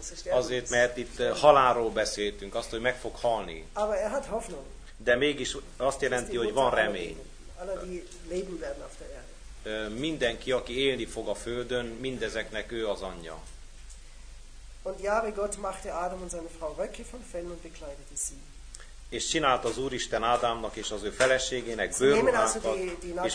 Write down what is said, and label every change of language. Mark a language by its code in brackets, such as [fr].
[hu] Azért, mert itt halálról beszéltünk, azt, hogy meg fog halni. [de] Aber er hat Hoffnung. [hu] De mégis azt jelenti, hogy van remény. [de] Alle, die leben werden auf der Erde. [hu] Mindenki, aki élni fog a földön, mindezeknek ő az anyja. [de] Und Jahwe Gott machte Adam und seine Frau Röcke von Fellen und bekleidete sie. [hu] és csinált az Úristen Ádámnak és az ő feleségének bőrruhákat, és